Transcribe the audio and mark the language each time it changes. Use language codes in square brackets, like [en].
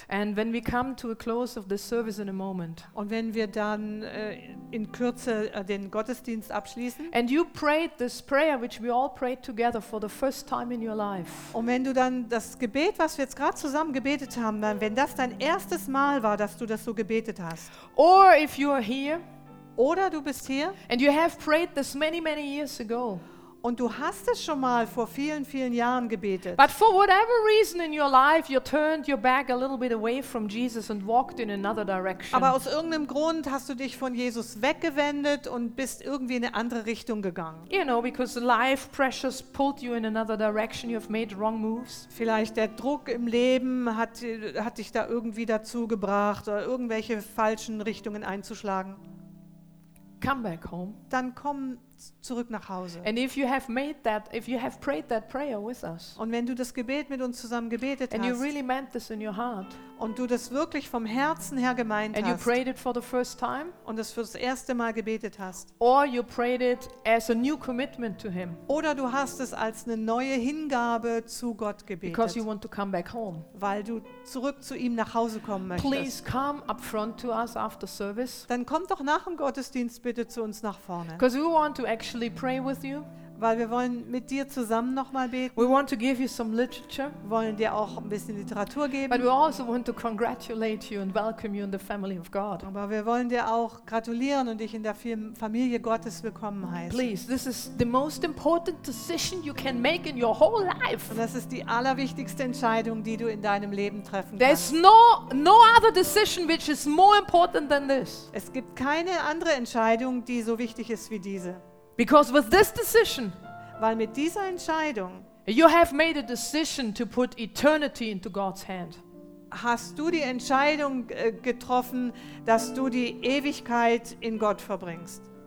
[en] and when we come to a close of the service in a moment, [de] und wenn wir dann in Kürze den Gottesdienst abschließen, [en] and you prayed this prayer which we all prayed together for the first time in your life, [de] und wenn du dann das Gebet, was wir jetzt gerade zusammen gebetet haben, dann, wenn das dein erstes Mal war, dass du das so gebetet hast, [en] or if you are here, [de] oder du bist hier, [en] and you have prayed this many many years ago, [de] und du hast es schon mal vor vielen, vielen Jahren gebetet. [en] But for whatever reason in your life, you turned your back a little bit away from Jesus and walked in another direction. [de] Aber aus irgendeinem Grund hast du dich von Jesus weggewendet und bist irgendwie in eine andere Richtung gegangen. [en] You know, because life pressures pulled you in another direction. You have made wrong moves. [de] Vielleicht der Druck im Leben hat dich da irgendwie dazu gebracht, oder irgendwelche falschen Richtungen einzuschlagen. [en] Come back home. [de] Dann komm zurück nach Hause. [en] And if you have made that, if you have prayed that prayer with us, [de] und wenn du das Gebet mit uns zusammen gebetet hast, [en] and you really meant this in your heart, [de] und du das wirklich vom Herzen her gemeint hast, [en] and you prayed it for the first time, [de] und das fürs erste Mal gebetet hast, [en] or you prayed it as a new commitment to him, [de] oder du hast es als eine neue Hingabe zu Gott gebetet, [en] because you want to come back home, [de] weil du zurück zu ihm nach Hause kommen möchtest, [en] please come up front to us after service, [de] dann kommt doch nach dem Gottesdienst bitte zu uns nach vorne, [en] because we want to actually pray with you, [de] weil wir wollen mit dir zusammen noch mal beten. [en] We want to give you some literature, [de] wollen dir auch ein bisschen Literatur geben. [en] But we also want to congratulate you and welcome you in the family of God. [de] Aber wir wollen dir auch gratulieren und dich in der Familie Gottes willkommen heißen. [en] Please, this is the most important decision you can make in your whole life. [de] Und das ist die allerwichtigste Entscheidung, die du in deinem Leben treffen [en] There's [de] kannst. [en] There's no other decision which is more important than this. [de] Es gibt keine andere Entscheidung, die so wichtig ist wie diese. [en] Because with this decision, [de] weil mit dieser Entscheidung, [en] you have made a decision to put eternity into God's hand. [de] Hast du die Entscheidung getroffen, dass du die Ewigkeit in Gott verbringst?